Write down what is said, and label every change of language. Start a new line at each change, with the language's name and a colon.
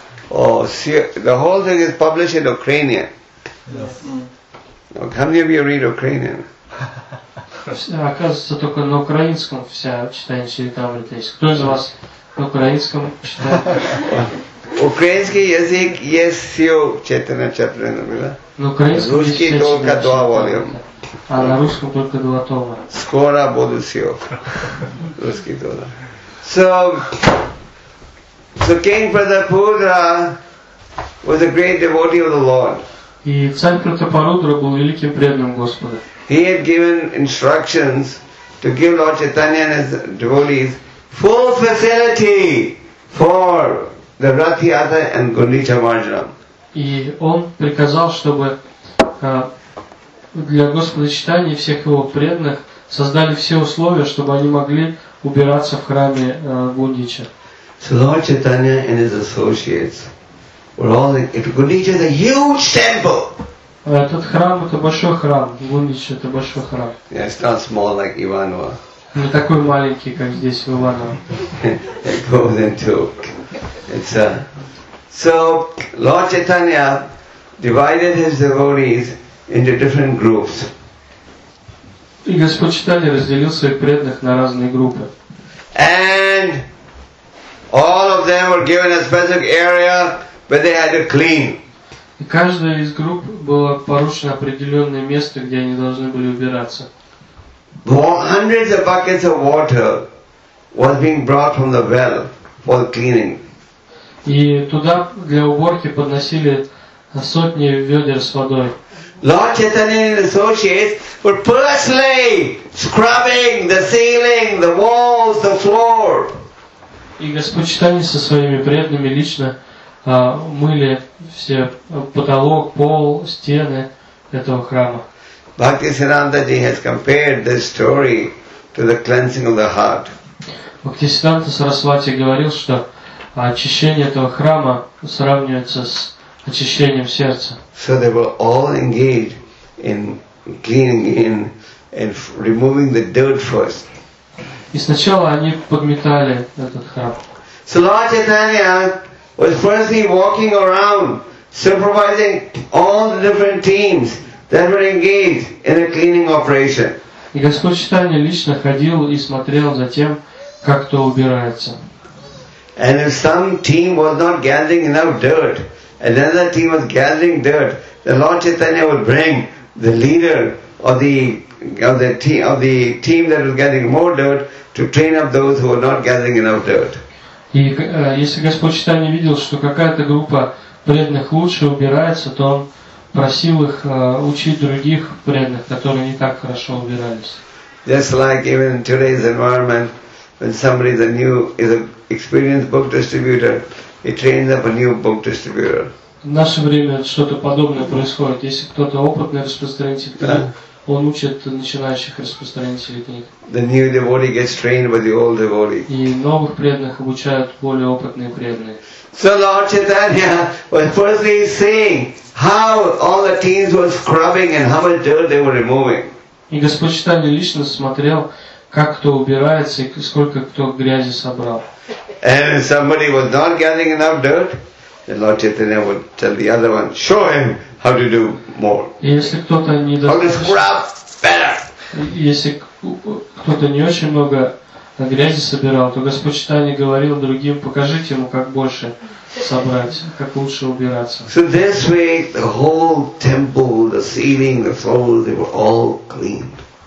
English: Oh, see, the whole thing is published in Ukrainian. Yes. Oh, how many of you read Ukrainian?
Russian: Оказывается, только на украинском вся читание Чаритамрита есть. Кто из вас на украинском читает? Украинский язык есть все Чайтанья Чаритамрита, да? Русский только два volume. А на русском только 2 тома. Скоро буду сел. Русский тоже.
English: So King Pratapudra was a great devotee of the Lord.
Russian: И царь Пратапарудра был великим преданным Господа.
English: He had given instructions to give Lord Chaitanya and his devotees full facility for the Ratiyata and Gundicha Marjanam.
Russian: И он приказал, чтобы для Господа Читания и всех его преданных создали все условия, чтобы они могли убираться в храме Гундича.
English: So Lord Chaitanya and his associates were all in Gundicha, a huge temple.
Russian: Этот храм — это большой храм. Гундича — это большой храм.
English: Yeah, it's not small like Иваново.
Russian: Не такой маленький, как здесь в Иваново.
English: It goes into it's a so Lord Chaitanya divided his devotees into different groups.
Russian: И Господь Читания разделил своих преданных на разные группы.
English: And all of them were given a specific area where they had to clean.
Russian: И каждая из групп было поручено определенное место, где они должны были убираться.
English: Hundreds of buckets of water was being brought from the well for cleaning.
Russian: И туда для уборки подносили сотни ведер с водой.
English: Lord Chaitanya and his associates were personally scrubbing the ceiling, the walls, the floor.
Russian: И Господь Читания со своими преданными лично мыли все потолок, пол, стены этого храма.
English: Bhaktisiddhanta ji has compared this story to the cleansing of the heart.
Russian: Bhaktisiddhanta Sarasvati говорил, что очищение этого храма сравнивается с очищением сердца.
English: So they were all engaged in cleaning and removing the dirt first.
Russian: И сначала они подметали этот храм.
English: So Lord Chaitanya was firstly walking around, supervising all the different teams that were engaged in a cleaning operation.
Russian: И Господь Читания лично ходил и смотрел за тем, как кто убирается.
English: And if some team was not gathering enough dirt, another team was gathering dirt, the Lord Chaitanya would bring the leader of the team that was gathering more dirt to train up those who were not gathering enough dirt.
Russian: И если Господь Читания видел, что какая-то группа преданных лучше убирается, то он просил их учить других преданных, которые не так хорошо убирались.
English: Just like even in today's environment, when somebody is a new, is an experienced book distributor, he trains up a new book distributor.
Russian: В наше время что-то подобное происходит. Если кто-то опытный распространитель, yeah, он учит начинающих распространителей книг.
English: The new devotee gets trained by the old devotee.
Russian: И новых преданных обучают более опытные преданные.
English: So Lord Chaitanya was firstly seeing how all the teams were scrubbing and how much dirt they were removing.
Russian: И Господь Читания лично смотрел, как кто убирается и сколько кто грязи собрал.
English: And if somebody was not gathering enough dirt, then Lord Chaitanya would tell the other one, show him how to do more.
Russian: Если кто-то не
English: scrub better.
Russian: Если кто-то не очень много грязи собирал, то Господь Читания говорил другим, покажите ему, как больше собрать, как лучше убираться.
English: So this way, the whole temple, the ceiling, the floor, they were all cleaned.